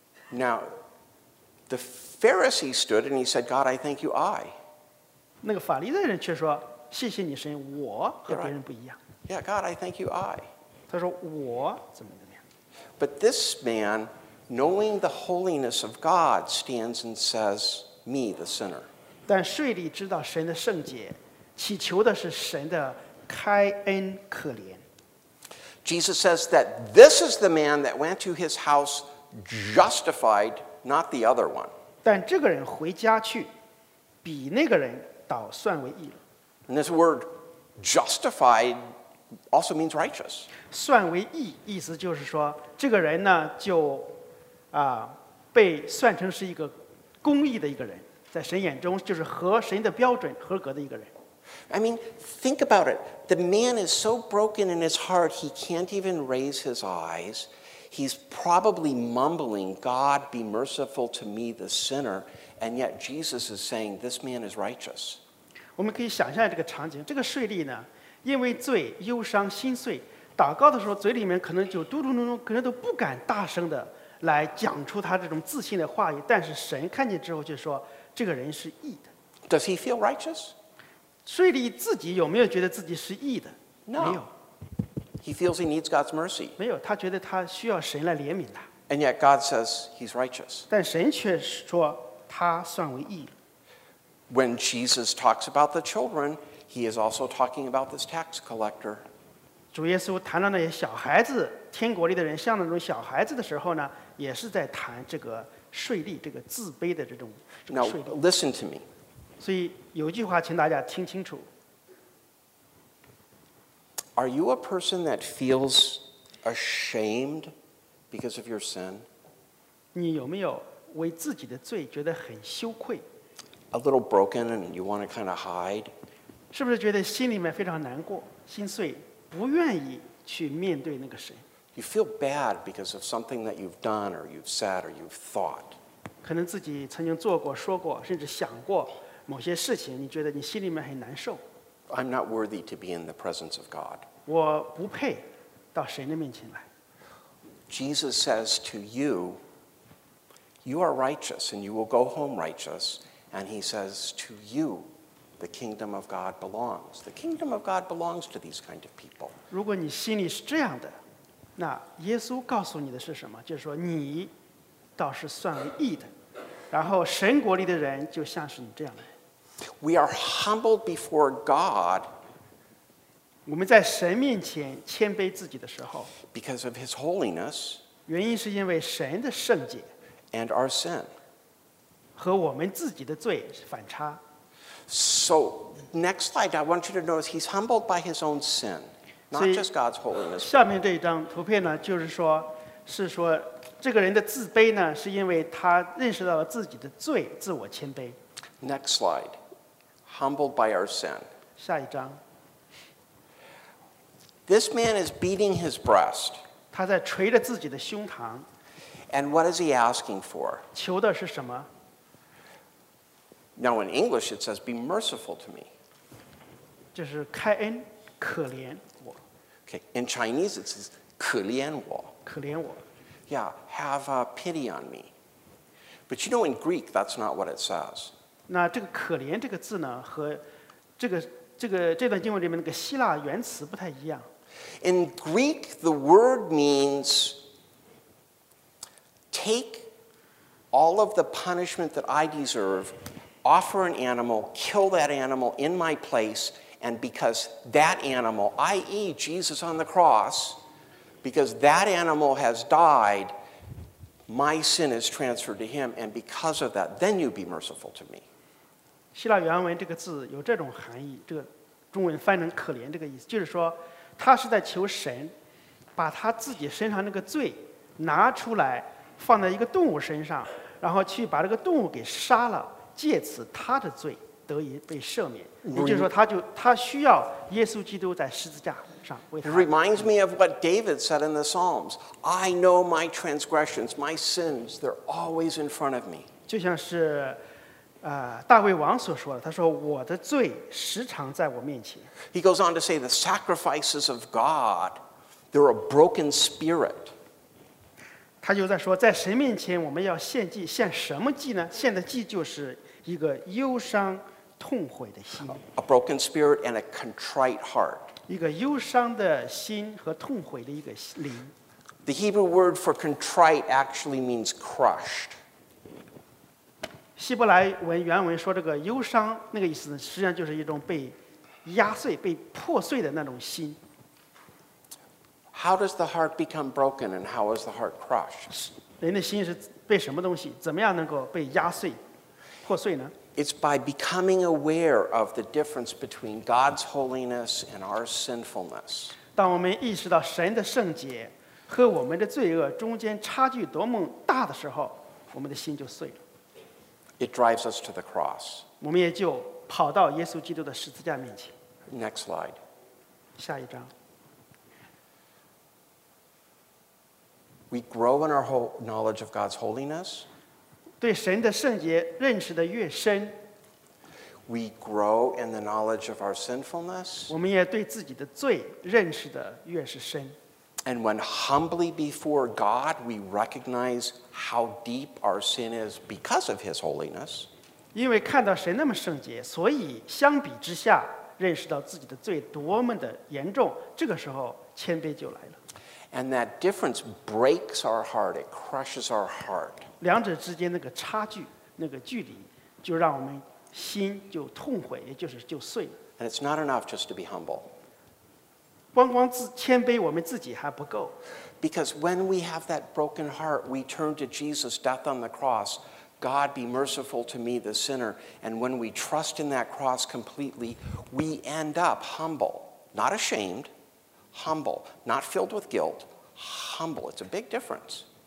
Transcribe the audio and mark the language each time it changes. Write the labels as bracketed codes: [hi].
[en] Now, the Pharisee stood and he said, "God, I thank you, I." [zh] 那个法利赛人却说：“谢谢你神，我和别人不一样。” [en] Yeah, God, I thank you, I. [zh] 他说：“我怎么样？” [en] But this man, knowing the holiness of God, stands and says, "Me, the sinner." [zh] 但税吏知道神的圣洁，祈求的是神的开恩可怜。 [en] Jesus says that this is the man that went to his house justified, not the other one. [zh] 但这个人回家去，比那个人倒算为义了。 [en] And this word justified also means righteous. [zh] 算为义，意思就是说，这个人呢就啊被算成是一个公义的一个人，在神眼中就是合神的标准、合格的一个人。 [en] I mean, think about it. The man is so broken in his heart, he can't even raise his eyes. He's probably mumbling, God, be merciful to me, the sinner. And yet Jesus is saying, this man is righteous. [zh] 我们可以想象这个场景。这个税吏呢，因为罪忧伤心碎，祷告的时候嘴里面可能就嘟嘟嘟嘟，可能都不敢大声的来讲出他这种自信的话语。但是神看见之后就说，这个人是义的。 [en] Does he feel righteous? [zh] 税吏自己有没有觉得自己是义的？ [en] No. [zh] 没有。 [en] He feels he needs God's mercy. [zh] 没有，他觉得他需要神来怜悯他。 [en] And yet God says he's righteous. [zh] 但神却说他算为义了。 [en] When Jesus talks about the children, he is also talking about this tax collector. [zh] 主耶稣谈到那些小孩子，天国里的人像那种小孩子的时候呢，也是在谈这个税吏，这个自卑的这个税吏。 [en] Now listen to me. [zh] 所以有句话请大家听清楚。 [en] Are you a person that feels ashamed because of your sin? [zh] 你有没有为自己的罪觉得很羞愧？ [en] A little broken and you want to kind of hide? [zh] 是不是觉得心里面非常难过，心碎，不愿意去面对那个神？ [en] You feel bad because of something that you've done or you've said or you've thought. [zh] 可能自己曾经做过、说过，甚至想过某些事情，你觉得你心里面很难受。 [en] I'm not worthy to be in the presence of God. [zh] 我不配到神的面前来。 [en] Jesus says to you, you are righteous and you will go home righteous. And he says to you, the kingdom of God belongs. The kingdom of God belongs to these kind of people. [zh] 如果你心里是这样的，那耶稣告诉你的是什么？就是说你倒是算为义的。然后神国里的人就像是你这样的人。 [en] We are humbled before God. [zh] 我们在神面前谦卑自己的时候。 [en] Because of His holiness. [zh] 原因是因为神的圣洁。 [en] And our sin. [zh] 和我们自己的罪反差。 [en] So next slide, I want you to notice He's humbled by His own sin, not just God's holiness. [zh] 下面这一张图片呢，就是说，是说。这个人的自卑呢，是因为他认识到了自己的罪，自我谦卑。 [en] Next slide. Humbled by our sin. [zh] 下一章。 [en] This man is beating his breast. [zh] 他在捶着自己的胸膛。 [en] And what is he asking for? [zh] 求的是什么？ [en] Now in English it says, be merciful to me. [zh] 就是开恩，可怜我。 [en] Okay, in Chinese it says, [zh] 可怜我。可怜我。 [en] Yeah, have pity on me. But you know, in Greek, that's not what it says. [zh] 那这个可怜这个字呢，和这段经文里面那个希腊原词不太一样。 [en] In Greek, the word means take all of the punishment that I deserve, offer an animal, kill that animal in my place, and because that animal, i.e. Jesus on the cross,Because that animal has died, my sin is transferred to him, and because of that, then you be merciful to me. [zh] 希腊原文这个字有这种含义，这个中文翻译成可怜这个意思，就是说他是在求神把他自己身上那个罪拿出来放在一个动物身上，然后去把这个动物给杀了，借此他的罪得以被赦免。也就是说他需要耶稣基督在十字架。 [en] It reminds me of what David said in the Psalms. I know my transgressions, my sins, they're always in front of me. [zh] 就像是大卫王所说的，他说我的罪时常在我面前。 [en] He goes on to say the sacrifices of God, they're a broken spirit. [zh] 他就在说在神面前我们要献祭，献什么祭呢？献的祭就是一个忧伤痛悔的心。 [en] A broken spirit and a contrite heart. [zh] 一个忧伤的心和痛悔的一个灵。 [en] The Hebrew word for contrite actually means crushed. [zh] 希伯来文原文说这个忧伤那个意思，实际上就是一种被压碎、被破碎的那种心。 [en] How does the heart become broken, and how is the heart crushed? [zh] 人的心是被什么东西？怎么样能够被压碎、破碎呢？ [en] It's by becoming aware of the difference between God's holiness and our sinfulness. [zh] 当我们意识到神的圣洁和我们的罪恶中间差距多么大的时候，我们的心就碎了。 [en] It drives us to the cross. [zh] 我们也就跑到耶稣基督的十字架面前。 [en] Next slide. [zh] 下一张。 [en] We grow in our whole knowledge of God's holiness. [zh] 对神的圣洁认识的越深 [en] ，We grow in the knowledge of our sinfulness. [zh] 我们也对自己的罪认识的越是深。 [en] And when humbly before God, we recognize how deep our sin is because of His holiness. 因为看到神那么圣洁，所以相比之下，认识到自己的罪多么的严重，这个时候谦卑就来了。 And that difference breaks our heart. It crushes our heart. [zh] 两者之间那个差距那个距离就让我们心就痛悔也就是就碎了 [en] And it's not enough just to be humble [zh] 光光自谦卑我们自己还不够 [en] Because when we have that broken heart we turn to Jesus' death on the cross God be merciful to me the sinner and when we trust in that cross completely we end up humble not ashamed humble not filled with guilt humble it's a big difference